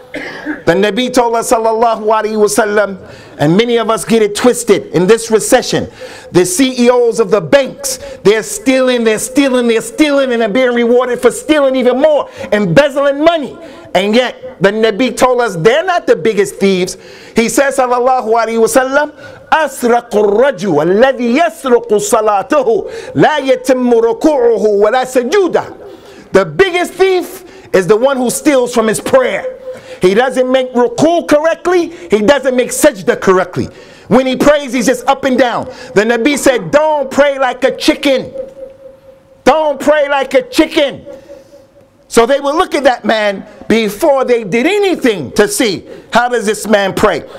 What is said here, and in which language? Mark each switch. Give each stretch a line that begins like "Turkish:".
English: The Nabi told us, sallallahu alayhi wa sallam, and many of us get it twisted in this recession. The CEOs of the banks, they're stealing, and they're being rewarded for stealing even more, embezzling money. And yet, the Nabi told us they're not the biggest thieves. He says,
Arabic: sallallahu alayhi wa sallam, أسرق الرجل الذي يسرق صلاته لا يتم ركوعه ولا سجوده.
English: The biggest thief is the one who steals from his prayer. He doesn't make ruku correctly, he doesn't make sajda correctly. When he prays, he's just up and down. The Nabi said, don't pray like a chicken. Don't pray like a chicken. So they would look at that man before they did anything to see how does this man pray.